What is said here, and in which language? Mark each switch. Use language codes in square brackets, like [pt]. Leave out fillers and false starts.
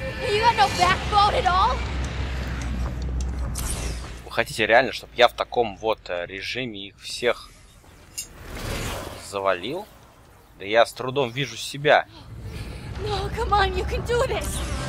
[en] You got no backbone at all? [ru] Вы хотите реально, чтобы я в таком вот режиме их всех завалил? Да я с трудом вижу себя. [en] No, come on, you can do this.